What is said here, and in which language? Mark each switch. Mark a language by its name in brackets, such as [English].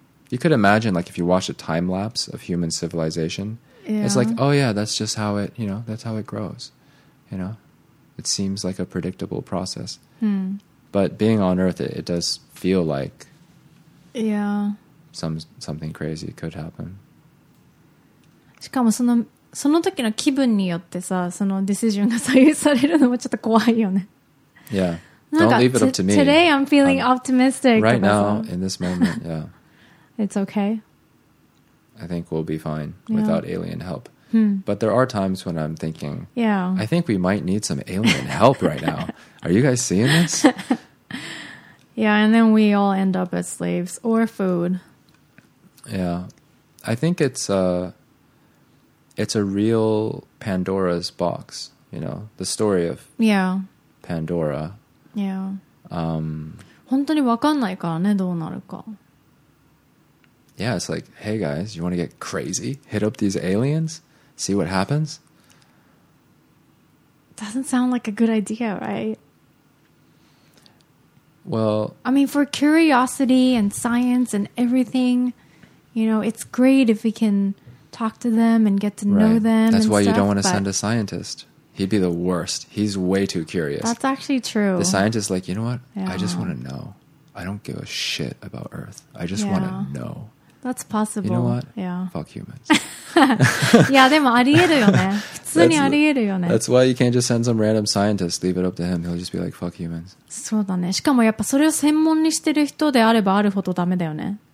[English] You could imagine, like, if you watch a time lapse of human civilization, yeah, it's like, oh yeah, that's just how it, you know, that's how it grows, you know? It seems like a predictable process. Hmm. But being on Earth, it does feel like, yeah, something crazy could happen. [Japanese] しかもその時の気分によってさ、そのディシジョンが左右されるのもちょっと怖いよね。 [English] Yeah. Don't leave it up to me. Today I'm feeling optimistic. Right now, in this moment, yeah. It's okay. I think we'll be fine without alien help. Hmm. But there are times when I'm thinking, yeah, I think we might need some alien help right now. Are you guys seeing this? Yeah, and then we all end up as slaves or food. Yeah. I think it's a real Pandora's box, you know, the story of, yeah, Pandora. Yeah. [Japanese] 本当に分かんないからね、どうなるか。 [English] Yeah, it's like, hey guys, you want to get crazy? Hit up these aliens? See what happens? Doesn't sound like a good idea, right? Well, I mean, for curiosity and science and everything, you know, it's great if we can talk to them and get to know them. That's and why stuff, you don't want to send a scientist. He'd be the worst. He's way too curious. That's actually true. The scientist's like, you know what? Yeah. I just want to know. I don't give a shit about Earth. I just want to know. That's possible. You know what? Yeah. Fuck humans. Yeah, [Japanese] でもありえるよね。普通にありえるよね。 [English] That's why you can't just send some random scientist. Leave it up to him. He'll just be like, fuck humans. [Japanese] そうだね。しかもやっぱそれを専門にしてる人であればあるほどダメだよね。